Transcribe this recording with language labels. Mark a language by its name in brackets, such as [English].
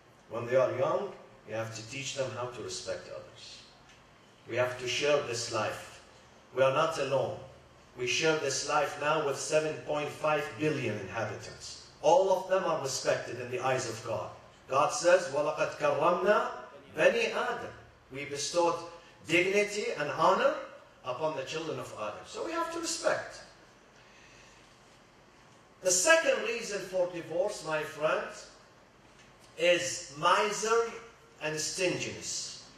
[English] When they are young, you have to teach them how to respect others. We have to share this life. We are not alone. We share this life now with 7.5 billion inhabitants. All of them are respected in the eyes of God. God says, [Arabic] وَلَقَدْ كَرَّمْنَا بَنِي آدَمَ. [English] We bestowed dignity and honor upon the children of Adam. So we have to respect. The second reason for divorce, my friend, is miser and stinginess.